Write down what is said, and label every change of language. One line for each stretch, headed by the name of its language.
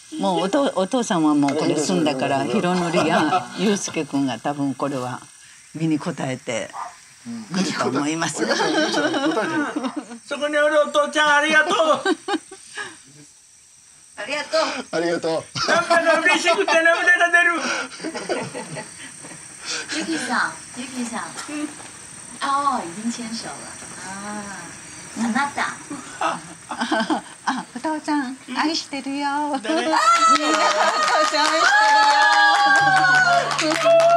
Japanese: もうお父さんはもうこれ済んだから、ひろのりやゆうすけくんが多分これは身に応えてくると思います。そこにおるお父ちゃん、ありがとう。ありがとう。ありがとう。なんか嬉しくて涙が出る。ゆきさん、
Chinese: 哦，已经牵手了啊，安娜达。
Japanese: あ、お父ちゃん、愛してるよ。みんなお父ちゃん愛してるよ。